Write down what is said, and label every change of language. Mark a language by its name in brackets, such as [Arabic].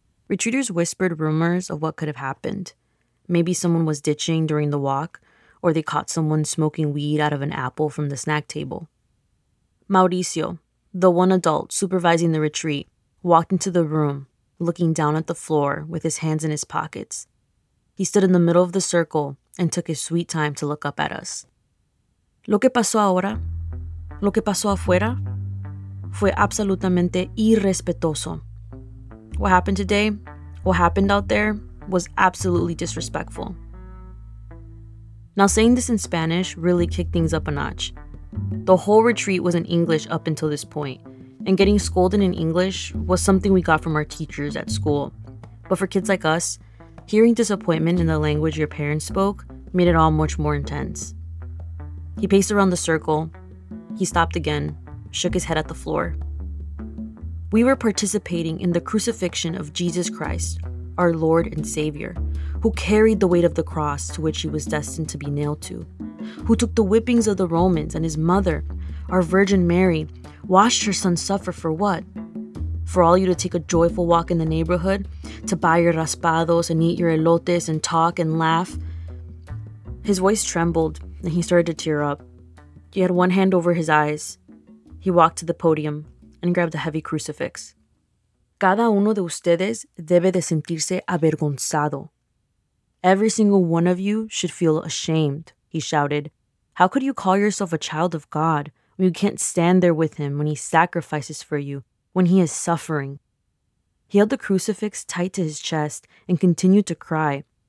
[English] Retreaters whispered rumors of what could have happened. Maybe someone was ditching during the walk, or they caught someone smoking weed out of an apple from the snack table. Mauricio, the one adult supervising the retreat, walked into the room, looking down at the floor with his hands in his pockets. He stood in the middle of the circle and took his sweet time to look up at us. [Spanish] "Lo que pasó ahora, lo que pasó afuera, fue absolutamente irrespetuoso. [English] What happened today, what happened out there, was absolutely disrespectful." Now, saying this in Spanish really kicked things up a notch. The whole retreat was in English up until this point, and getting scolded in English was something we got from our teachers at school. But for kids like us, hearing disappointment in the language your parents spoke made it all much more intense. He paced around the circle. He stopped again, shook his head at the floor. "We were participating in the crucifixion of Jesus Christ, our Lord and Savior, who carried the weight of the cross to which he was destined to be nailed to, who took the whippings of the Romans and his mother, our Virgin Mary, watched her son suffer for what? For all you to take a joyful walk in the neighborhood, to buy your raspados and eat your elotes and talk and laugh." His voice trembled and he started to tear up. He had one hand over his eyes. He walked to the podium and grabbed a heavy crucifix. [Spanish] "Cada uno de ustedes debe de sentirse avergonzado. [English] Every single one of you should feel ashamed, he shouted. How could you call yourself a child of God when you can't stand there with him when he sacrifices for you, when he is suffering? He held the crucifix tight to his chest and continued to cry.